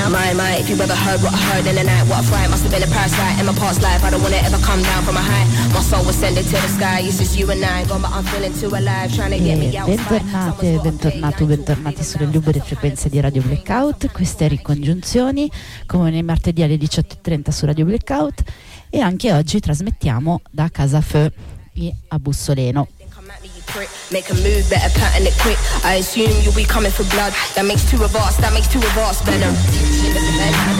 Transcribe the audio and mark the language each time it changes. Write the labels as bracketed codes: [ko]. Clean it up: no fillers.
[en] My, if you ever heard what I heard in the night, what a fright, must have been a parasite in my past life. I don't wanna ever come down from a high. My soul was sending to the sky, it's just you and I. Gone, but I'm feeling too alive, trying to get me out. [it] Bentornate, bentornato, bentornati sulle libere frequenze di Radio Blackout. Queste ricongiunzioni, come nei martedì alle 18.30 su Radio Blackout. E anche oggi trasmettiamo da Casa Feu a Bussoleno. [en] Make a move, better pattern it quick. I assume you'll be coming for blood. That makes two of us, that makes two of us venom.